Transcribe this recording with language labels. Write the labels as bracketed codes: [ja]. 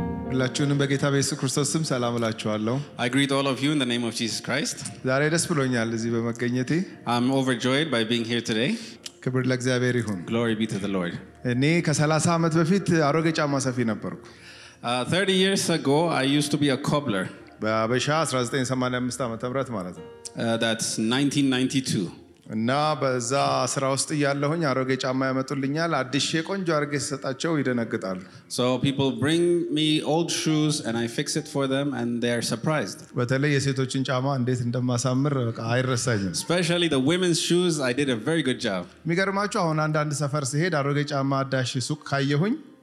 [am] ሁላችሁንም በጌታ በኢየሱስ ክርስቶስ ስም ሰላም እላችኋለሁ [en] I greet all of you in the name of Jesus Christ [am] ዛሬ ደስ ብሎኛል እዚህ በመገኘቴ [en] I'm overjoyed by being here today [am] ክብር ለእግዚአብሔር ይሁን [en] Glory be to the Lord [am] እኔ ከ30 ዓመት በፊት አሮጌ ጫማ ሰፊ ነበርኩ [en] 30 years ago I used to be a cobbler [am] በአበሻ 1985 ዓመተ ምህረት ማለት ነው [en] That's 1992 [am] እና በዛ ስራ ውስጥ ያለሁኝ አሮጌ ጫማ ያመጡልኛል አዲስ የቆንጆ አርገ ሲሰጣቸው ይደነግጣሉ [en] So people bring me old shoes and I fix it for them and they are surprised [am] በተለይ የሴቶችን ጫማ እንዴት እንደማሳምር በቃ አይረሳኝም [en] Especially the women's shoes I did a very good job [am] ሚገርማችሁ አሁን አንድ ሰፈር ሲሄድ አሮጌ ጫማ አዳሽ ሱቅ ካየሁኝ